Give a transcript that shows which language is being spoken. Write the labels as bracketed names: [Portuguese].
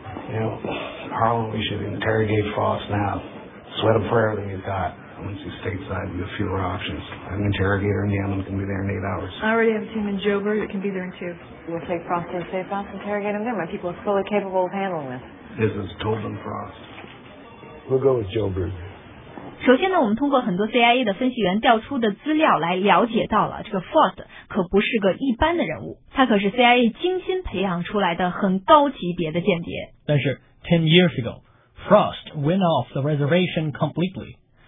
[English] You know, Harlan, we should interrogate Frost now. Sweat him fairly, you've got. Once he's stateside, you have fewer options. An interrogator in Yemen can be there in 8 hours. I already have a team in Joburg that can be there in 2. We'll take Frost to a safe house and interrogate him there. My people are fully capable of handling this. This is Tobin Frost. We'll go with Joburg. [Chinese] 首先呢我们通过很多 CIA 的分析员调出的资料来了解到了这个 Frost 可不是个一般的人物，他可是 CIA 精心培养出来的很高级别的间谍。但是 [English] 10 years ago Frost went off the reservation completely.